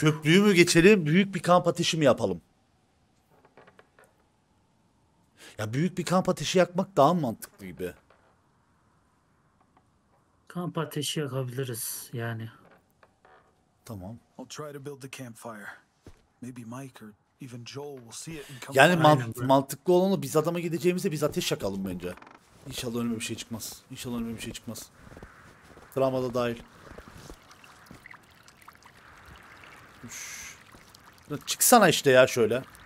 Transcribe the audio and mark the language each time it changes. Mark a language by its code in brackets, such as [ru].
[tr] Köprüyü mü geçelim, büyük bir kamp ateşi mi yapalım? Ya büyük bir kamp ateşi yakmak daha mantıklı gibi. Kamp ateşi yakabiliriz yani. Tamam. [en] I'll try to build the campfire. Maybe Mike or even Joel will see it and come. [tr] Yani mantıklı olanı biz adama gideceğimizde biz ateş yakalım bence. İnşallah önüme bir şey çıkmaz. İnşallah önüme bir şey çıkmaz. Travma da dahil. Çıksana işte ya şöyle.